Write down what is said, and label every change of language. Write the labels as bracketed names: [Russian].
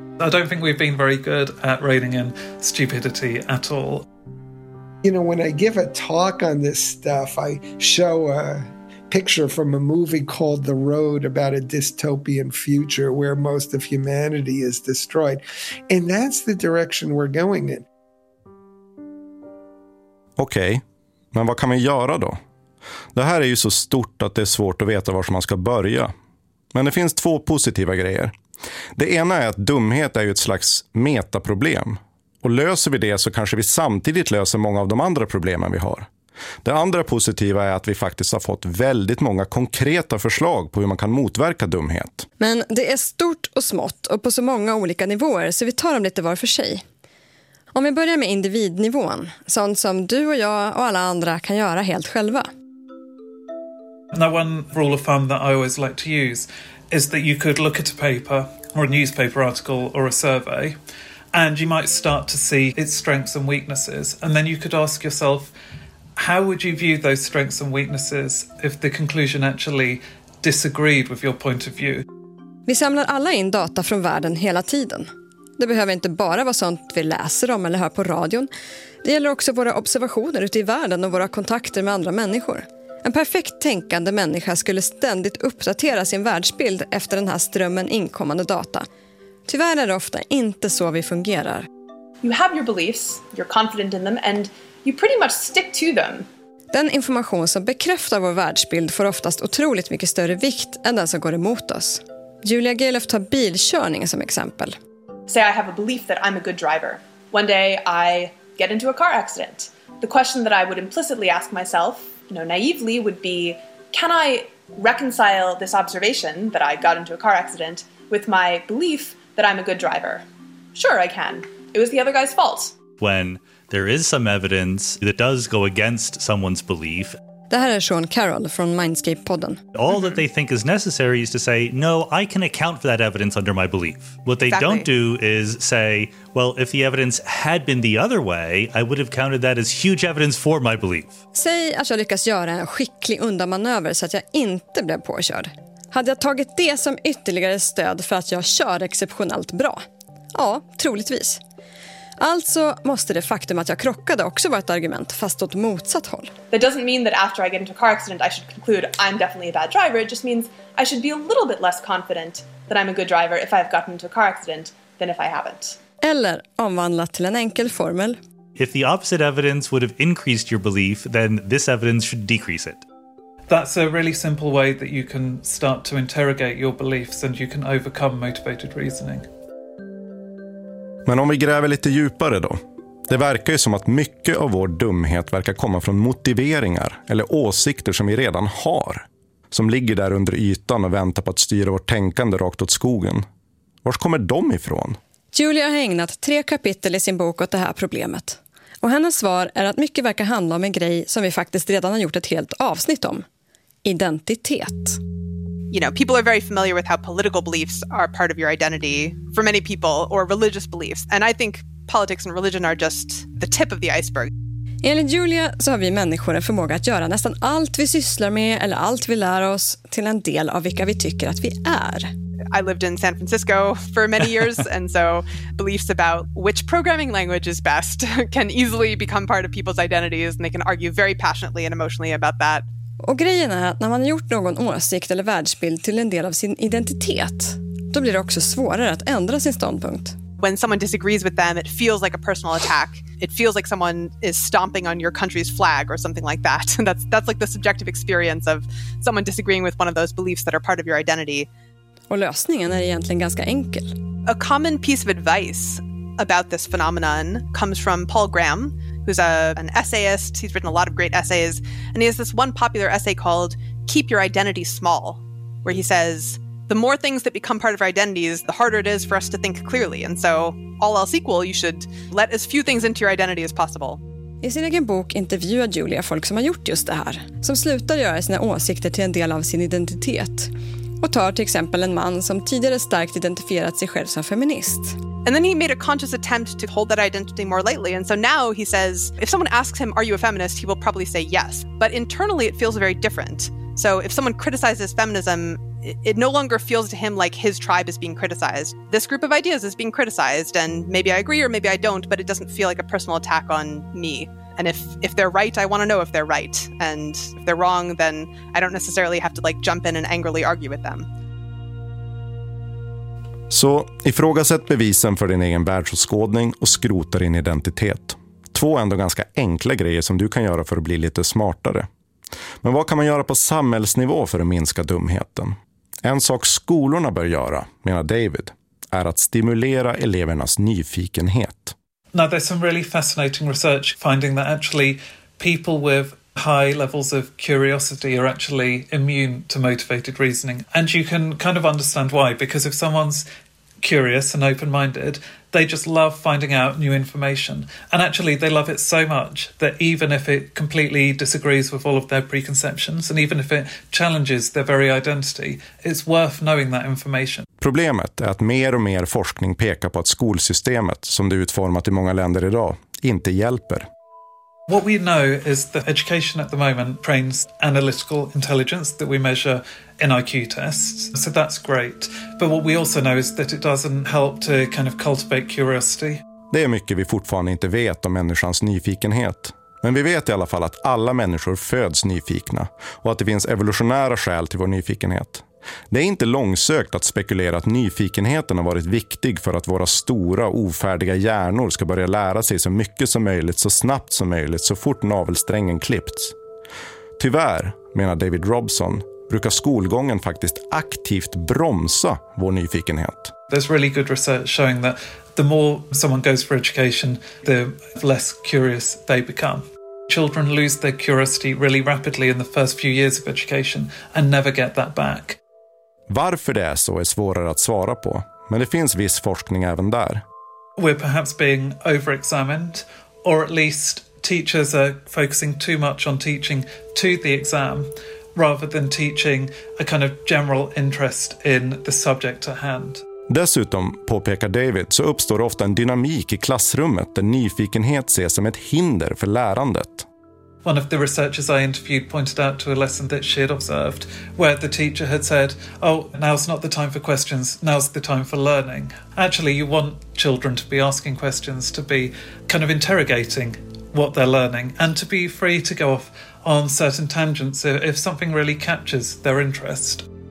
[English] I don't think we've been very good at reining in stupidity at all. You know, when I give a talk on this stuff, I show a picture from a movie called The Road about a dystopian future where most of humanity is destroyed. And that's the direction we're going in. [Swedish] Okay, men vad kan man göra då? Det här är ju så stort att det är svårt att veta var man ska börja. Men det finns två positiva grejer. Det ena är att dumhet är ju ett slags metaproblem. Och löser vi det så kanske vi samtidigt löser många av de andra problemen vi har. Det andra positiva är att vi faktiskt har fått väldigt många konkreta förslag på hur man kan motverka dumhet. Men det är stort och smått och på så många olika nivåer så vi tar dem lite var för sig. Om vi börjar med individnivån, sånt som du och jag och alla andra kan göra helt själva. [English] Now one rule of thumb that I always like to use is that you could look at a paper or a newspaper article or a survey and you might start to see its strengths and weaknesses and then you could ask yourself how would you view those strengths and weaknesses if the conclusion actually disagreed with your point of view. [Swedish] Vi samlar alla in data från världen hela tiden. Det behöver inte bara vara sånt vi läser om eller hör på radion. Det gäller också våra observationer ute i världen och våra kontakter med andra människor. En perfekt tänkande människa skulle ständigt uppdatera sin världsbild efter den här strömmen inkommande data. Tyvärr är det ofta inte så vi fungerar. [English] You have your beliefs, you're confident in them and you pretty much stick to them. [Swedish] Den information som bekräftar vår världsbild får oftast otroligt mycket större vikt än den som går emot oss. Julia Gelef tar bilkörning som exempel. [English] Say I have a belief that I'm a good driver. One day I get into a car accident. The question that I would implicitly ask myself, you know, naively, would be, can I reconcile this observation that I got into a car accident with my belief that I'm a good driver? Sure, I can. It was the other guy's fault. When there is some evidence that does go against someone's belief. [Swedish] Det här är Sean Carroll från Mindscape-podden. [English] All that they think is necessary is to say, no, I can account for that evidence under my belief. What they don't do is say, well, if the evidence had been the other way, I would have counted that as huge evidence for my belief. [Swedish] Säg att jag lyckas göra en skicklig undanmanöver så att jag inte blev påkörd. Hade jag tagit det som ytterligare stöd för att jag kör exceptionellt bra? Ja, troligtvis. Alltså måste det faktum att jag krockade också vara ett argument, fast åt motsatt håll. [English] That doesn't mean that after I get into a car accident I should conclude I'm definitely a bad driver. It just means I should be a little bit less confident that I'm a good driver if I've gotten into a car accident than if I haven't. [Swedish] Eller omvandlat till en enkel formel. [English] If the opposite evidence would have increased your belief, then this evidence should decrease it. That's a really simple way that you can start to interrogate your beliefs and you can overcome motivated reasoning. [Swedish] Men om vi gräver lite djupare då. Det verkar ju som att mycket av vår dumhet verkar komma från motiveringar eller åsikter som vi redan har. Som ligger där under ytan och väntar på att styra vårt tänkande rakt åt skogen. Vars kommer de ifrån? Julia har ägnat 3 kapitel i sin bok åt det här problemet. Och hennes svar är att mycket verkar handla om en grej som vi faktiskt redan har gjort ett helt avsnitt om. Identitet. [English] You know, people are very familiar with how political beliefs are part of your identity for many people, or religious beliefs. And I think politics and religion are just the tip of the iceberg. [Swedish] Enligt Julia så har vi människor en förmåga att göra nästan allt vi sysslar med eller allt vi lär oss till en del av vilka vi tycker att vi är. [English] I lived in San Francisco for many years, and so beliefs about which programming language is best can easily become part of people's identities, and they can argue very passionately and emotionally about that. [Swedish] Och grejen är att när man har gjort någon åsikt eller världsbild till en del av sin identitet, då blir det också svårare att ändra sin ståndpunkt. [English] When someone disagrees with them, it feels like a personal attack. It feels like someone is stomping on your country's flag or something like that. That's like the subjective experience of someone disagreeing with one of those beliefs that are part of your identity. [Swedish] Och lösningen är egentligen ganska enkel. [English] A common piece of advice about this phenomenon comes from Paul Graham, who's an essayist. He's written a lot of great essays. And he has this one popular essay called Keep Your Identity Small, where he says, the more things that become part of our identities, the harder it is for us to think clearly. And so, all else equal, you should let as few things into your identity as possible. [Swedish] I sin egen bok intervjuar Julia folk som har gjort just det här, som slutar göra sina åsikter till en del av sin identitet. Och tar till exempel en man som tidigare starkt identifierat sig själv som feminist. [English] And then he made a conscious attempt to hold that identity more lightly. And so now he says, if someone asks him, are you a feminist? He will probably say yes. But internally it feels very different. So if someone criticizes feminism, it no longer feels to him like his tribe is being criticized. This group of ideas is being criticized. And maybe I agree or maybe I don't, but it doesn't feel like a personal attack on me. And if they're right, I want to know if they're right. And if they're wrong, then I don't necessarily have to like jump in and angrily argue with them. [Swedish] Så ifrågasätt bevisen för din egen världsåskådning och skrota din identitet. Två ändå ganska enkla grejer som du kan göra för att bli lite smartare. Men vad kan man göra på samhällsnivå för att minska dumheten? En sak skolorna bör göra, menar David, är att stimulera elevernas nyfikenhet. [English] Now there's some really fascinating research finding that actually people with high levels of curiosity are actually immune to motivated reasoning. And you can kind of understand why, because if someone's curious and open-minded, they just love finding out new information. And actually, they love it so much that even if it completely disagrees with all of their preconceptions and even if it challenges their very identity, it's worth knowing that information. [Swedish] Problemet är att mer och mer forskning pekar på att skolsystemet, som det är utformat i många länder idag, inte hjälper. [English] What we know is that education at the moment trains analytical intelligence that we measure in IQ tests. So that's great. But what we also know is that it doesn't help to kind of cultivate curiosity. [Swedish] Det är mycket vi fortfarande inte vet om människans nyfikenhet. Men vi vet i alla fall att alla människor föds nyfikna och att det finns evolutionära skäl till vår nyfikenhet. Det är inte långsökt att spekulera att nyfikenheten har varit viktig för att våra stora, ofärdiga hjärnor ska börja lära sig så mycket som möjligt, så snabbt som möjligt, så fort navelsträngen klippts. Tyvärr, menar David Robson, brukar skolgången faktiskt aktivt bromsa vår nyfikenhet. [English] There's really good research showing that the more someone goes for education, the less curious they become. Children lose their curiosity really rapidly in the first few years of education and never get that back. [Swedish] Varför det är så är svårare att svara på, men det finns viss forskning även där. [English] We're perhaps being overexamined, or at least teachers are focusing too much on teaching to the exam rather than teaching a kind of general interest in the subject at hand. [Swedish] Dessutom, påpekar David, så uppstår ofta en dynamik i klassrummet där nyfikenhet ses som ett hinder för lärandet. [English] One of the researchers I interviewed pointed out to a lesson that she had observed where the teacher had said, oh, now's not the time for questions, now's the time for learning. Actually, you want children to be asking questions, to be kind of interrogating what they're learning and to be free to go off on certain tangents if something really captures their interest.